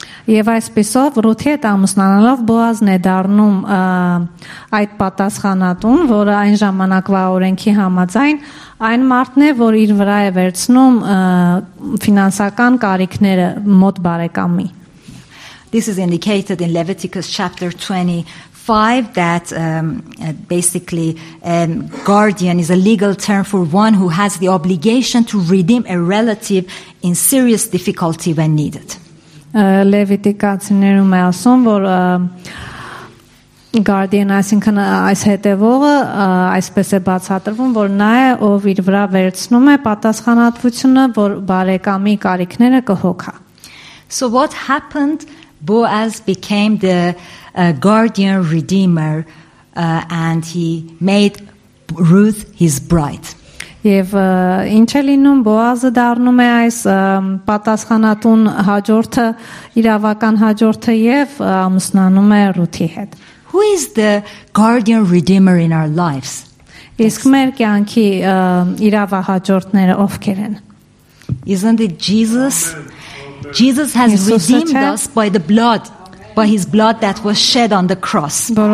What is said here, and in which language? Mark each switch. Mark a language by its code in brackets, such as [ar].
[hy] Եվ այսպեսով Ռութի հետ ամուսնանալով Բոազն է դառնում այդ պատասխանատուն, որը այն ժամանակվա օրենքի համաձայն այն մարդն է, որ իր վրա է վերցնում ֆինանսական կարիքները մոտ բարեկամի։ [en] This is indicated in Leviticus chapter 25, that basically guardian is a legal term for one who has the obligation to redeem a relative in serious difficulty when needed. [hy] Լևիտիկացիներում ասում, որ guardian, այսինքն այս հետևողը այսպես է բացատրվում, որ նա է, ով իր վրա վերցնում է պատասխանատվությունը, որ բարեկամի կարիքները կհոգա։ [en] So what happened? Boaz became the guardian redeemer and he made Ruth his bride. [hy] Եվ ինչ է լինում, Բոազը դառնում է այս պատասխանատուն հաջորդը, իրավական հաջորդը, եւ ամուսնանում է Ռութի հետ։ [en] Who is the guardian redeemer in our lives? [hy] Իսկ մեր կյանքի իրավահաջորդները ովքեր են? [en] Isn't it Jesus? Jesus has redeemed us by the blood, by His blood that was shed on the cross.